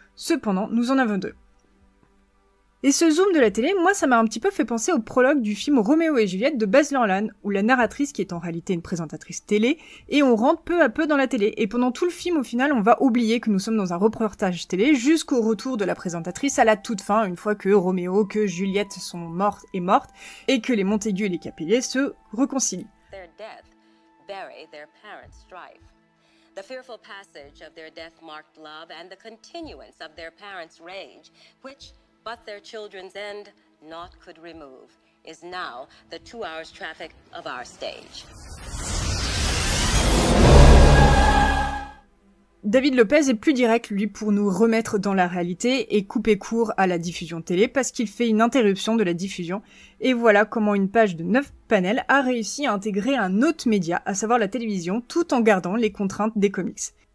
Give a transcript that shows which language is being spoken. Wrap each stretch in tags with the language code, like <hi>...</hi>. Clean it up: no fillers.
<fr>Cependant, nous en avons deux. Et ce zoom de la télé, moi, ça m'a un petit peu fait penser au prologue du film Roméo et Juliette de Baz Luhrmann, où la narratrice, qui est en réalité une présentatrice télé, et on rentre peu à peu dans la télé. Et pendant tout le film, au final, on va oublier que nous sommes dans un reportage télé jusqu'au retour de la présentatrice à la toute fin, une fois que Roméo, que Juliette sont mortes et mortes, et que les Montaigu et les Capellier se réconcilient.</fr> <en>Their death bury their parents' strife. The fearful passage of their death marked love and the continuance of their parents' rage, which, but their children's end, naught could remove, is now the 2 hours traffic of our stage.</en> <fr>David Lopez est plus direct, lui, pour nous remettre dans la réalité et couper court à la diffusion télé parce qu'il fait une interruption de la diffusion. Et voilà comment une page de 9 panels a réussi à intégrer un autre média, à savoir la télévision, tout en gardant les contraintes des comics.</fr>